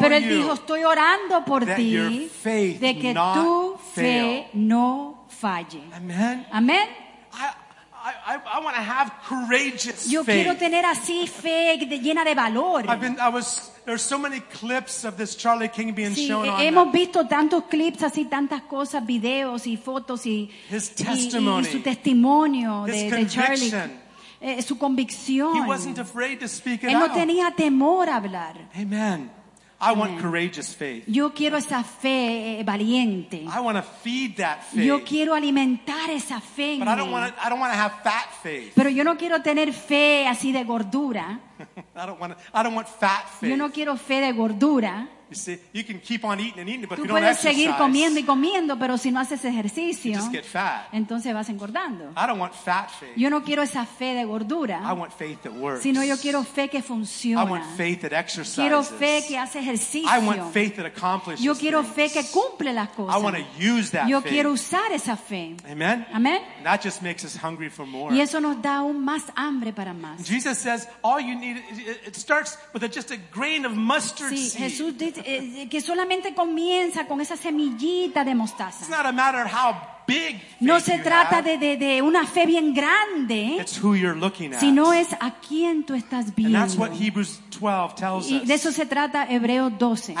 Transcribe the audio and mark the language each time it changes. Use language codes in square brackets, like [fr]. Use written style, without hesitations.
[es] pero él dijo, estoy orando por ti de que tu fe no falle. Amen. Amen. [en] I want to have courageous faith. [es] Yo quiero tener así fe llena de valor. [en] There's so many clips of this Charlie King being [es] sí, [en] shown. [es] Hemos visto tantos clips así, tantas cosas, videos y fotos y [en] his testimony, [es] y su testimonio [en] his [es] de Charlie. Su convicción. [en] He wasn't afraid to speak it [es] él no [en] out. [es] Tenía temor a hablar. [en] Amen. I want courageous faith. [es] Yo quiero esa fe valiente. [en] I want to feed that faith. [es] Yo quiero alimentar esa fe. [en] But I don't want to have fat faith. [es] Pero yo no quiero tener fe así de gordura. [en] I don't want fat faith. [es] Yo no quiero fe de gordura. [en] You see, you can keep on eating and eating, but [es] tú [en] if you don't exercise, [es] seguir comiendo y comiendo, pero si no haces ejercicio, [en] you just get fat. [es] Entonces vas engordando. [en] I don't want fat faith. [es] Yo no quiero esa fe de gordura. [en] I want faith that works. [es] Sino yo quiero fe que funciona. [en] I want faith that exercises. [es] Quiero fe que hace ejercicio. [en] I want faith that accomplishes. [es] Yo quiero [en] things. [es] Fe que cumple las cosas. [en] I want to use that [es] yo [en] faith. [es] Quiero usar esa fe. Amen. Amen. [en] That just makes us hungry for more. [es] Y eso nos da aún más hambre para más. [en] Jesus says, all you need, it starts with just a grain of mustard [es] sí, [en] seed. [es] Jesús dice, que solamente comienza con esa semillita de mostaza. [en] It's not a matter of how big [es] no se trata de una fe bien grande, [en] it's who you're looking at. [es] Sino es a quién tú estás viendo. [en] And that's what Hebrews 12 tells us. [es] Y de eso se trata Hebreos 12.